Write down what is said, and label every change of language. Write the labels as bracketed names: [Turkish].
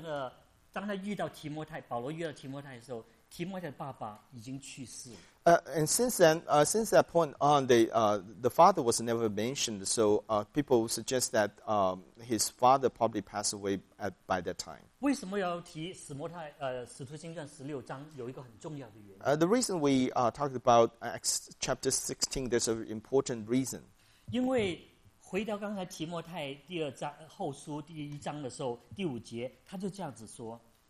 [Chinese] 然后呢，在所有新闻里面从来没有再提到他爸爸，所以我们有一个相信，就是说，那个当他遇到提摩太，保罗遇到提摩太的时候。 [English] Since that point on, the father was never mentioned, so people suggest that his father probably passed away by that time. [Chinese] 为什么要提史摩太, 使徒行传16章有一个很重要的原因? [English] The reason we talked about Acts chapter 16, there's an important reason. [Chinese] 因为回到刚才提摩太第二章后书第一章的时候，第五节，他就这样子说。